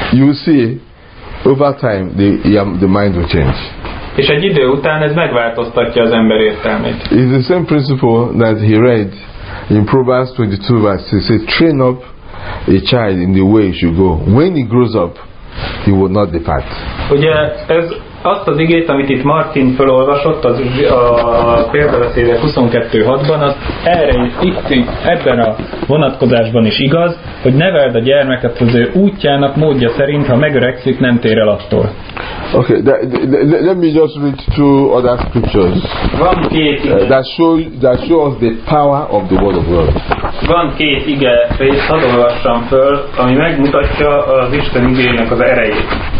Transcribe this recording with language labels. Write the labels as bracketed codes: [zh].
[en] You see, over time the mind will change. [hu] És egy idő után ez megváltoztatja az ember értelmét. [en] It's the same principle that he read in Proverbs 22 verse 6. He said, train up a child in the way he should go. When he grows up, he will not depart. [hu] Ugye ez azt az igét, amit itt Martin felolvasott az a példabeszédek 22:6-ban, az erre itt ebben a vonatkozásban is igaz, hogy neveld a gyermeket az ő útjának módja szerint, ha megöregszik, nem tér el attól. [en] Okay, let me just read two other scriptures. [hu] Van két ige. [en] That show us the power of the word of God. [hu] Van két ige, és hadd olvassam föl, ami megmutatja az Isten igének az erejét.